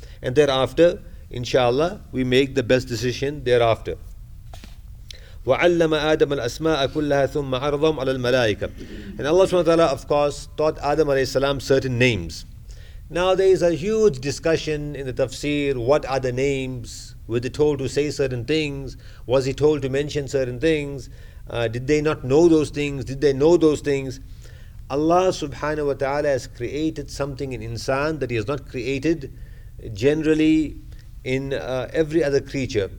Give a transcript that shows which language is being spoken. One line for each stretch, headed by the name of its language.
English: And thereafter, inshallah, we make the best decision thereafter.
Arabic: وعلم آدم الأسماء كلها ثم عرضهم على الملائكة.
English: And Allah subhanahu wa ta'ala, of course, taught Adam alayhi salam certain names. Now there is a huge discussion in the tafsir, what are the names? Were they told to say certain things? Was he told to mention certain things? Did they not know those things? Did they know those things? Allah subhanahu wa ta'ala has created something in insan that he has not created generally in every other creature.